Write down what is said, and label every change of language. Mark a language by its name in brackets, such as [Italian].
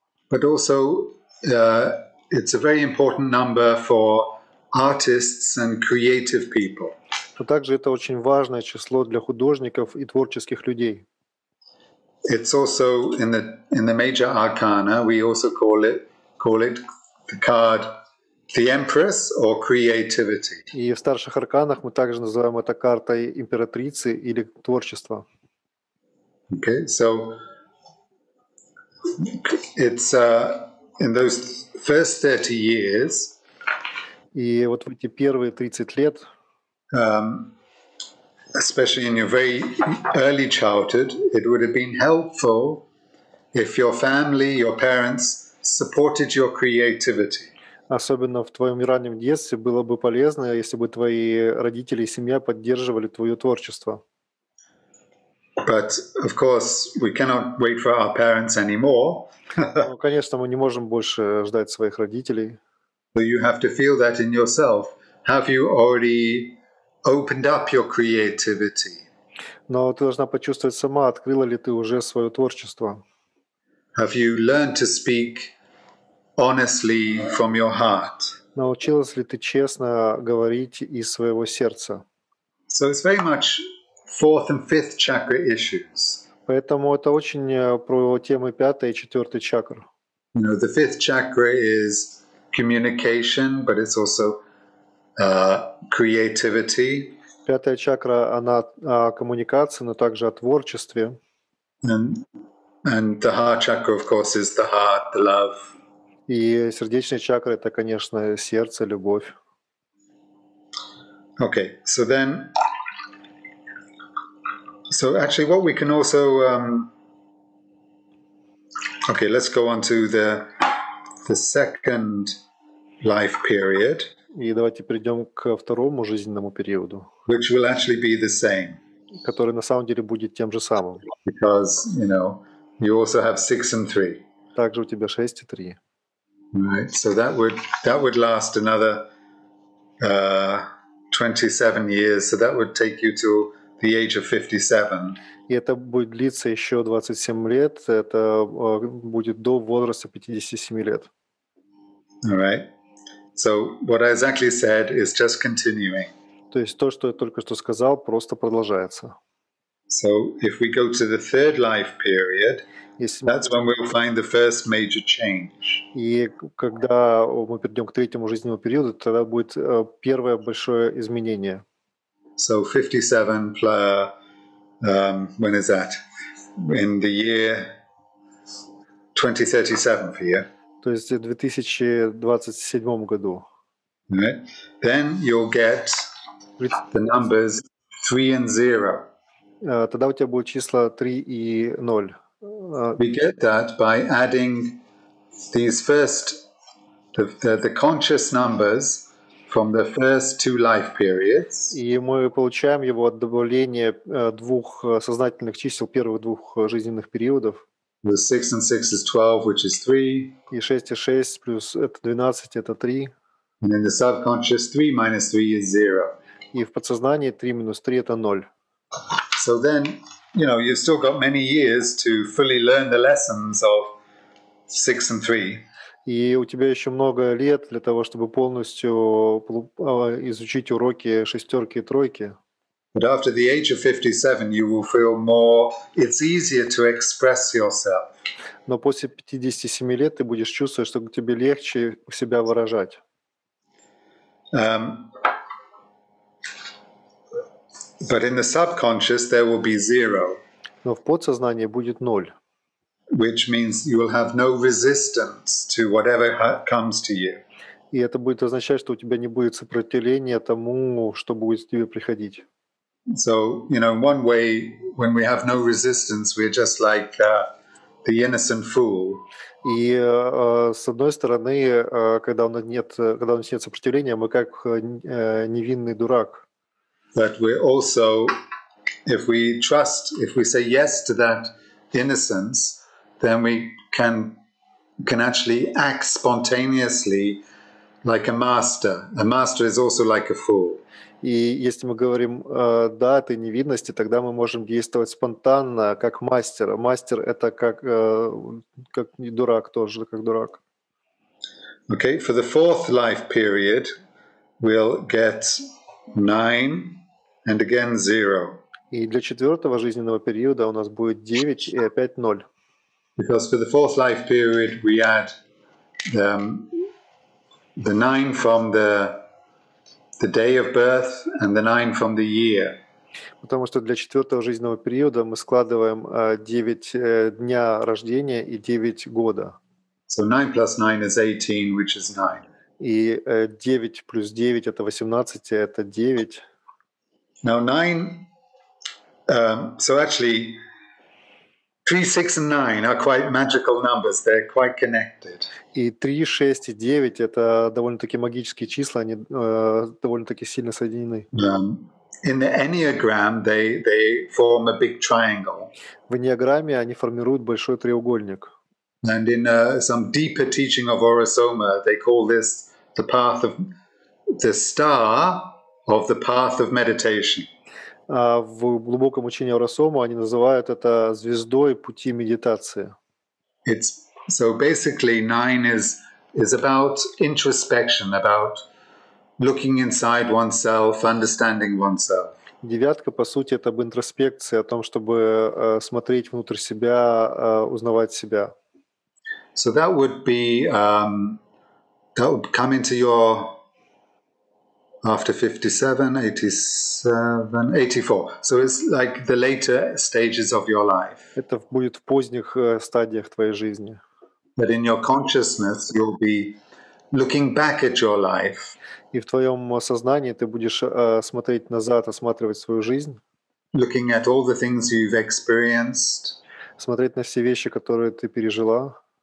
[English] But also, it's a very important number for artists and creative people. [Russian] Но также это очень важное число для художников и творческих людей. [English] It's also in the major arcana, we also call it the card the Empress or creativity. [Russian] И в старших арканах мы также называем это картой императрицы или творчества. [English] Okay, so It's in those first 30 years. [Russian] И вот в эти первые 30 лет. [English] Especially in your very early childhood, it would have been helpful if your family, your parents supported your creativity. [Russian] Особенно в твоем раннем детстве было бы полезно, если бы твои родители и семья поддерживали твое творчество. [English] But of course, we cannot wait for our parents anymore. [Russian] Ну, конечно, мы не можем больше ждать своих родителей. [English] So you have to feel that in yourself. Have you already opened up your creativity? [Russian] Но ты должна почувствовать сама, открыла ли ты уже свое творчество. [English] Have you learned to speak honestly from your heart? [Russian] Научилась ли ты честно говорить из своего сердца? [English] So it's very much fourth and fifth chakra issues. [Russian] Поэтому это очень про темы пятой и четвертой чакр. [English] You know, the fifth chakra is communication, but it's also creativity. [Russian] Пятая чакра, она о коммуникации, но также о творчестве. [English] And the heart chakra, of course, is the heart, the love. [Russian] И сердечная чакра — это, конечно, сердце, любовь. [English] Okay, so then, so actually, what we can also, okay, let's go on to the second life period. [Russian] И давайте перейдем ко второму жизненному периоду, [English] which will actually be the same, [Russian] который на самом деле будет тем же самым, [English] because you know you also have 6 and 3. [Russian] Также у тебя 6 и 3. [English] Right, so that would last another 27 years. So that would take you to the age of 57. [Russian] И это будет длиться еще 27 лет. Это будет до возраста 57 лет. [English] All right. So what I exactly said is just continuing. [Russian] То есть то, что я только что сказал, просто продолжается. [English] So if we go to the third life period, that's when we'll find the first major change. [Russian] И когда мы перейдем к третьему жизненному периоду, тогда будет первое большое изменение. [English] So 57 plus, when is that? In the year 2037 for you. [Russian] То есть в 2027 году. [English] Right. Then you'll get the numbers 3 and 0. [Russian] Тогда у тебя будут числа 3 и 0. [English] We get that by adding these first, the conscious numbers from the first two life periods. [Russian] И мы получаем его от добавления двух сознательных чисел первых двух жизненных периодов. [English] The 6 and 6 is 12, which is 3. [Russian] И 6 и 6 плюс это 12, это 3. [English] And in the subconscious, 3 minus 3 is 0. [Russian] И в подсознании 3 минус 3 это 0. [English] So then, you know, you've still got many years to fully learn the lessons of 6 and 3. [Russian] И у тебя еще много лет для того, чтобы полностью изучить уроки шестерки и тройки. [English] But after the age of 57, you will feel more. It's easier to express yourself. [Russian] Но после 57 лет ты будешь чувствовать, что тебе легче себя выражать. [English] But in the subconscious there will be 0. [Russian] Но в подсознании будет 0. [English] Which means you will have no resistance to whatever comes to you. [Russian] И это будет означать, что у тебя не будет сопротивления тому, что будет к тебе приходить. [English] So, you know, in one way, when we have no resistance, we're just like the innocent fool. [Russian] И с одной стороны, когда у нас нет сопротивления, мы как невинный дурак. [English] But we also, if we trust, if we say yes to that innocence, then we can actually act spontaneously like a master. A master is also like a fool. [Russian] И если мы говорим да этой невинности, тогда мы можем действовать спонтанно, как мастер. Мастер — это как не дурак тоже, как дурак. [English] Okay, for the fourth life period, we'll get 9. And again 0. [Russian] И для четвертого жизненного периода у нас будет 9 и опять 0. [English] Because for the fourth life period we add the 9 from the day of birth and the 9 from the year. [Russian] Потому что для четвертого жизненного периода мы складываем 9 дня рождения и 9 года. [English] So 9 plus 9 is 18, which is 9. [Russian] И 9 плюс 9 — это 18, а это 9. [English] Now 9, so actually 3, 6 and 9 are quite magical numbers. They're quite connected. [Russian] И 3, 6 и 9 — это довольно-таки магические числа, они довольно-таки сильно соединены. [English] In the Enneagram, they form a big triangle. [Russian] В Эннеаграмме они формируют большой треугольник. [English] And in some deeper teaching of Orosoma, they call this the path of the star of the path of meditation. [Russian] В глубоком учении Орасома они называют это звездой пути медитации. [English] It's so basically nine is about introspection, about looking inside oneself, understanding oneself. [Russian] Девятка, по сути, это об интроспекции, о том, чтобы смотреть внутрь себя, узнавать себя. [English] So that would be that would come into your after 87, 84. So it's like the later stages of your life. [Russian] Это будет в поздних стадиях твоей жизни. [English] But in your consciousness, you'll be looking back at your life. [Russian] И в твоем сознании ты будешь смотреть назад, осматривать свою жизнь. [English] Looking at all the things you've experienced. [Russian] Смотреть на все вещи, которые ты пережила.